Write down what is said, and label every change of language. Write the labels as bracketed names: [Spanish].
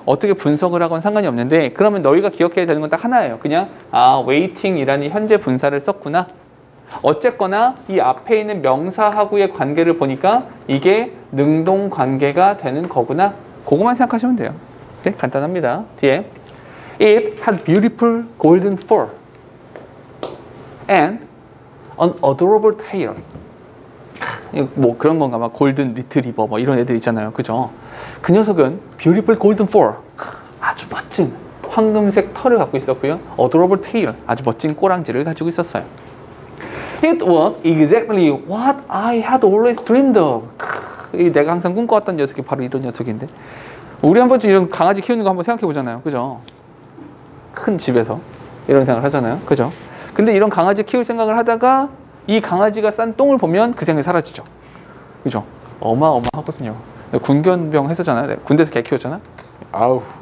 [Korean] 어떻게 분석을 하건 상관이 없는데 그러면 너희가 기억해야 되는 건 딱 하나예요. 그냥 아 waiting이라는 현재 분사를 썼구나. 어쨌거나 이 앞에 있는 명사하고의 관계를 보니까 이게 능동 관계가 되는 거구나. 그것만 생각하시면 돼요. 네, 간단합니다. 뒤에 [English] It had beautiful golden fur and an adorable tail. [Korean] 뭐 그런 건가 봐. 골든 리트리버 뭐 이런 애들 있잖아요. 그죠? 그 녀석은 [English] beautiful golden fur. [Korean] 아주 멋진 황금색 털을 갖고 있었고요. [English] adorable tail. [Korean] 아주 멋진 꼬랑지를 가지고 있었어요. [English] It was exactly what I had always dreamed of. [Korean] 내가 항상 꿈꿔왔던 녀석이 바로 이런 녀석인데. 우리 한 번쯤 이런 강아지 키우는 거 한번 생각해 보잖아요. 그죠? 큰 집에서 이런 생각을 하잖아요. 그죠? 근데 이런 강아지 키울 생각을 하다가 이 강아지가 싼 똥을 보면 그 생각이 사라지죠. 그죠? 어마어마하거든요. 군견병 했었잖아요. 군대에서 개 키웠잖아. 아우.